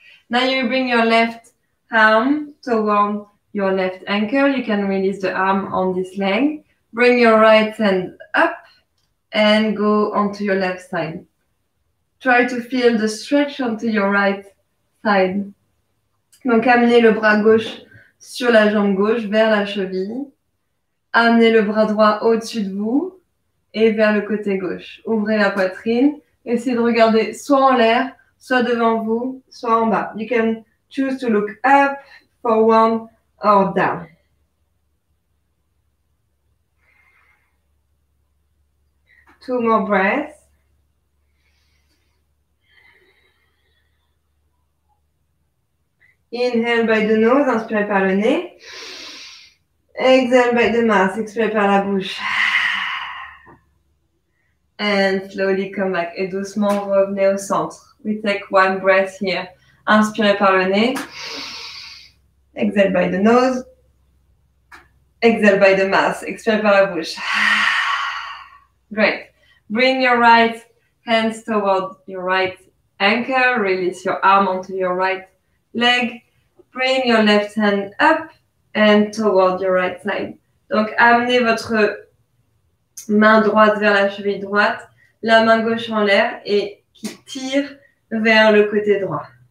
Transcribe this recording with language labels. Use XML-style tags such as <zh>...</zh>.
<en>Now you bring your left arm toward your left ankle. You can release the arm on this leg. Bring your right hand up and go onto your left side. Try to feel the stretch onto your right side.</en> <fr>Donc, amenez le bras gauche sur la jambe gauche vers la cheville. Amenez le bras droit au-dessus de vous et vers le côté gauche. Ouvrez la poitrine. Essayez de regarder soit en l'air, soit devant vous, soit en bas.</fr> <en>You can choose to look up, forward, or down. Two more breaths. Inhale by the nose,</en> <fr>inspire par le nez.</fr> <en>Exhale by the mouth,</en> <fr>expire par la bouche.</fr> <en>And slowly come back.</en> <fr>Et doucement, revenez au centre.</fr> <en>We take one breath here.</en> <fr>Inspire par le nez.</fr> <en>Exhale by the nose. Exhale by the mouth,</en> <fr>expire par la bouche.</fr> <en>Great. Bring your right hands toward your right ankle. Release your arm onto your right leg. Bring your left hand up and toward your right side.</en> <fr>Donc, amenez votre main droite vers la cheville droite, la main gauche en l'air et qui tire vers le côté droit.</fr>